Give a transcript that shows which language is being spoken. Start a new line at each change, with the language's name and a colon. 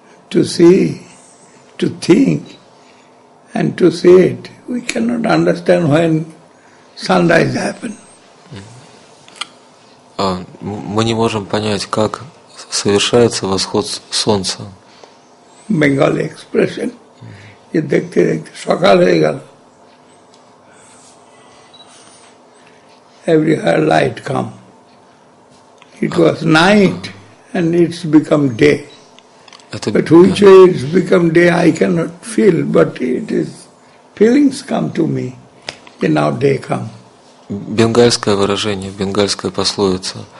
English: To see, to think and to say it, we cannot understand when sunrise happened.
Russian: Мы не можем понять, как совершается восход солнца.
English: Bengali expression.
Bangla: Ye dekhte dekhte sokal hoye gelo.
English: Everywhere light come. It was night and it's become day. But which way it's become day, I cannot feel. But it is feelings come to me. And now day come.
Russian: Бенгальское выражение, бенгальская пословица.